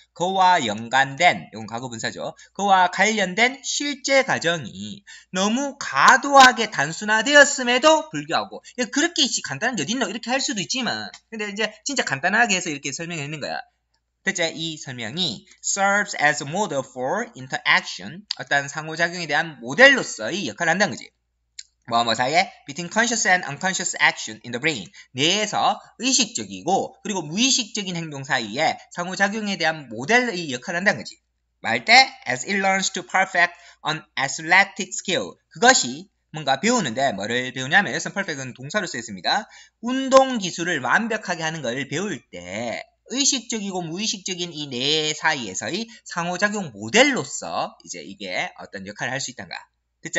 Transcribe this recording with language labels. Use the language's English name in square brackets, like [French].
[Korean] 그와 연관된, 이건 과거 분사죠. 그와 관련된 실제 과정이 너무 과도하게 단순화되었음에도 불구하고 그렇게 간단한 게 어딨노? 이렇게 할 수도 있지만 근데 이제 진짜 간단하게 해서 이렇게 설명했는 거야. 첫째, 이 설명이 [English] serves as a model for interaction. [Korean] 어떤 상호작용에 대한 모델로서의 역할을 한다는 거지. 뭐뭐 사이에 [English] between conscious and unconscious action in the brain. [Korean] 뇌에서 의식적이고 그리고 무의식적인 행동 사이에 상호작용에 대한 모델의 역할을 한다는 거지. [English] 말때 as it learns to perfect an athletic skill. [Korean] 그것이 뭔가 배우는데 뭐를 배우냐면 여기서 perfect은 동사로 쓰였습니다. 운동 기술을 완벽하게 하는 걸 배울 때 의식적이고 무의식적인 이뇌 사이에서의 상호작용 모델로서 이제 이게 어떤 역할을 할수 있단가. 됐지?